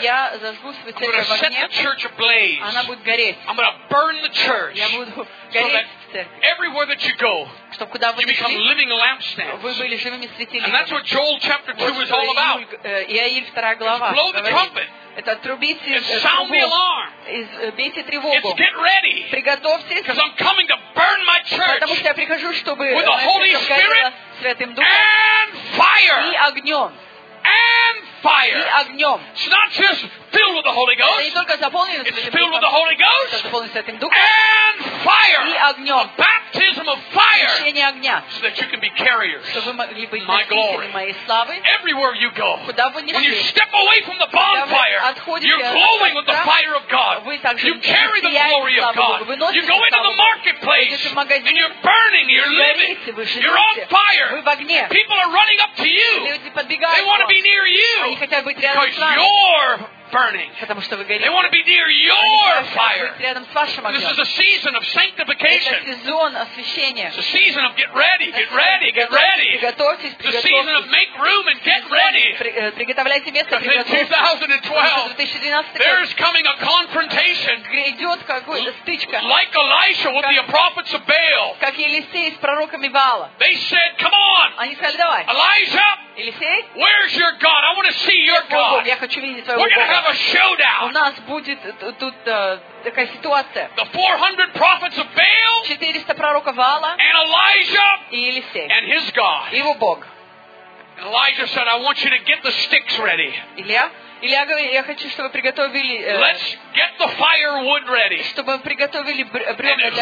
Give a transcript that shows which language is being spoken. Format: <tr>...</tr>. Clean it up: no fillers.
<ru>Я зажгу свою церковь огнем.</ru> <en>I'm going to set the church ablaze.</en> <ru>Она будет гореть.</ru> <en>I'm going to burn the church.</en> <ru>Я буду гореть церковь.</ru> <en>So that everywhere that you go,</en> <ru>чтоб куда вы ни шли,</ru> <en>you become living lampstands.</en> <ru>Вы были живыми светильниками.</ru> <en>And that's what Joel chapter 2 is all about.</en> <ru>Иаиль 2 глава.</ru> <en>Blow the trumpet.</en> <ru>Это трубите трубу. Тревогу.</ru> <en>It's get ready.</en> <ru>Приготовьтесь.</ru> <en>Because I'm coming to burn my church.</en> <ru>Потому что я прихожу, чтобы</ru> <en>with the Holy Spirit.</en> <ru>Святым Духом</ru> <en>and fire.</en> <ru>И огнем.</ru> <en>And fire.</en> <ru>И огнем.</ru> <en>It's not just filled with the Holy Ghost.</en> <ru>Это не только заполнен Святым Духом.</ru> <en>It's filled with the Holy Ghost.</en> <ru>Это заполнен Святым Духом.</ru> <en>And fire.</en> <ru>И огнем.</ru> <en>A baptism of fire.</en> <ru>Крещение огня.</ru> <en>So that you can be carriers.</en> <ru>Чтобы вы могли быть носителями моей славы.</ru> <en>Everywhere you go.</en> <ru>Куда вы ни шли.</ru> <en>When you step away from the bonfire, you're glowing with the fire of God.</en> <ru>Вы также</ru> <en>you carry the glory of God.</en> <ru>Вы носите славу.</ru> <en>You go into the marketplace</en> <ru>магазин,</ru> <en>and you're burning, you're living.</en> <ru>Вы живете,</ru> <en>you're on fire.</en> <ru>Вы в огне.</ru> <en>People are running up to you.</en> <ru>Люди подбегают.</ru> <en>They want to be near you.</en> <ru>Они хотят быть рядом с вами.</ru> <en>Because you're burning.</en> <ru>Потому что вы горите.</ru> <en>They want to be near your fire.</en> <ru>Быть рядом с вашим огнем.</ru> <en>This is a season of sanctification.</en> <ru>Это сезон освящения.</ru> <en>It's a season of get ready, get ready, get ready.</en> <ru>Приготовьтесь, приготовьтесь.</ru> <en>It's a season of make room and get ready.</en> <ru>Приготовляйте место, приготовьтесь.</ru> <en>Because in 2012, there is coming a confrontation.</en> <ru>Грядет какая-то стычка.</ru> <en>Like Elisha with the prophets of Baal.</en> <ru>Как Елисей с пророками Баала.</ru> <en>They said, "Come on."</en> <ru>Они сказали, давай.</ru> <en>Elijah.</en> <ru>Елисей.</ru> <en>Where's your God? I want to see your God.</en> <ru>Я хочу видеть твоего Бога.</ru> <en>Have a showdown.</en> <ru>У нас будет тут такая ситуация.</ru> <en>The 400 prophets of Baal.</en> <ru>400 пророков Баала.</ru> <en>And Elijah.</en> <ru>И Елисей.</ru> <en>And his God.</en> <ru>Его Бог.</ru> <en>And Elijah said, "I want you to get the sticks ready."</en> <ru>Илья говорит, я хочу, чтобы приготовили.</ru> <en>Let's get the firewood ready.</en> <ru>Чтобы приготовили бревна для костра.</ru>